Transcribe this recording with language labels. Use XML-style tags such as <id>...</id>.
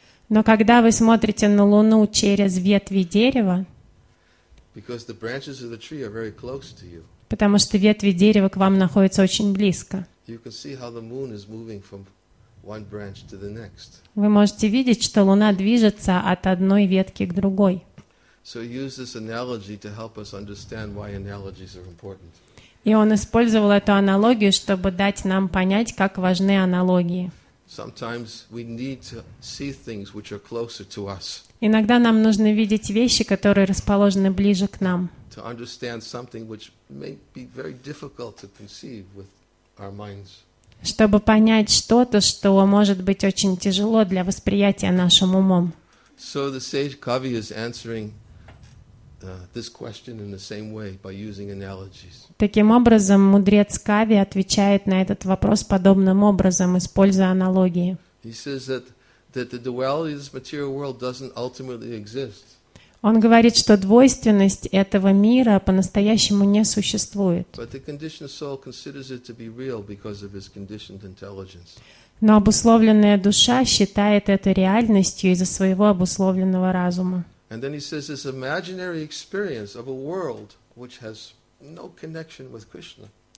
<ru>Но когда вы смотрите на Луну через ветви дерева,</ru> <en>because the branches of the tree are very close to you,</en> <ru>потому что ветви дерева к вам находятся очень близко,</ru> <en>you can see how the moon is moving from one branch to the next.</en> <ru>Вы можете видеть, что Луна движется от одной ветки к другой.</ru> <en>So he used this analogy to help us understand why analogies are important.</en> <ru>И он использовал эту аналогию, чтобы дать нам понять, как важны аналогии.</ru> <en>Sometimes we need to see things which are closer to us.</en> <ru>Иногда нам нужно видеть вещи, которые расположены ближе к нам.</ru> <en>To understand something which may be very difficult to conceive with our minds.</en> <ru>Чтобы понять что-то, что может быть очень тяжело для восприятия нашим умом.</ru> <en>So the sage Kavi is answering this question in the same way by using analogies.</en> <ru>Таким образом, мудрец Кави отвечает на этот вопрос подобным образом, используя аналогии.</ru> <en>He says that the duality of this material world doesn't ultimately exist.</en> <ru>Он говорит, что двойственность этого мира по-настоящему не существует.</ru> <en>But the conditioned soul considers it to be real because of his conditioned intelligence.</en> <ru>Но обусловленная душа считает это реальностью из-за своего обусловленного разума.</ru> <en>And then he says this imaginary experience of a world which has no connection with Krishna.</en>